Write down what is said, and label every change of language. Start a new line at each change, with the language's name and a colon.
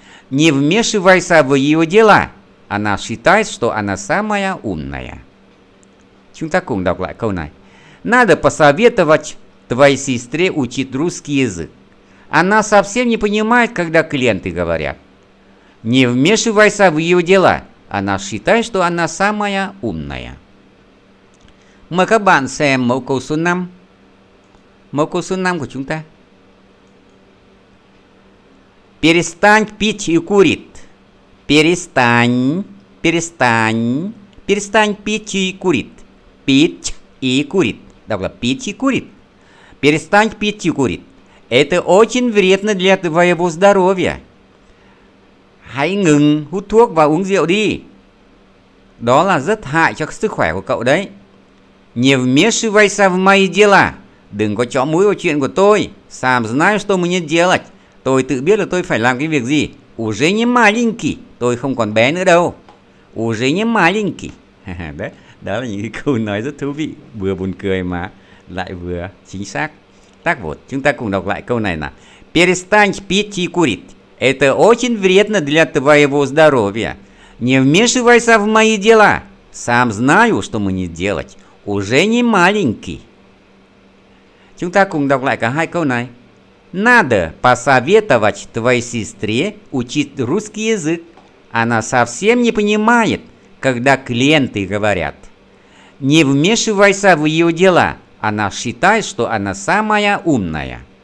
Russian: Не вмешивайся в ее дела. Она считает, что она самая умная.
Vietnamese: Chúng ta cùng đọc lại câu này.
Russian: Надо посоветовать твоей сестре учить русский язык. Она совсем не понимает, когда клиенты говорят. Не вмешивайся в ее дела. Она считает, что она самая умная.
Vietnamese: Mời các bạn xem mẫu câu số 5. Mẫu câu số 5 của chúng ta.
Russian: Перестань пить и курить. Перестань пить и курить. Пить и курить.
Vietnamese: Đọc là
Russian: пить и курить. Перестань пить и курить. Это очень вредно для твоего здоровья.
Vietnamese: Hãy ngừng hút thuốc và uống rượu đi. Đó là rất hại cho sức khỏe của cậu đấy.
Russian: Не вмешивайся в мои дела.
Vietnamese: Đừng có chó mũi vào chuyện của tôi.
Russian: Сам знаю, что мне делать.
Vietnamese: Tôi tự biết là tôi phải làm cái việc gì.
Russian: Уже не маленький.
Vietnamese: Tôi không còn bé nữa đâu.
Russian: Уже не маленький.
Vietnamese: Đấy, đó là những câu nói rất thú vị. Vừa buồn cười mà lại vừa chính xác.
Russian: Так вот,
Vietnamese: chúng ta cùng đọc lại câu này nào.
Russian: Перестань пить и курить. Это очень вредно для твоего здоровья. Не вмешивайся в мои дела. Сам знаю, что мне делать. Уже не маленький.
Vietnamese: Chúng ta cùng đọc lại cả hai câu này.
Russian: Надо посоветовать твоей сестре учить русский язык. Она совсем не понимает, когда клиенты говорят. Не вмешивайся в ее дела. Она считает, что она самая умная.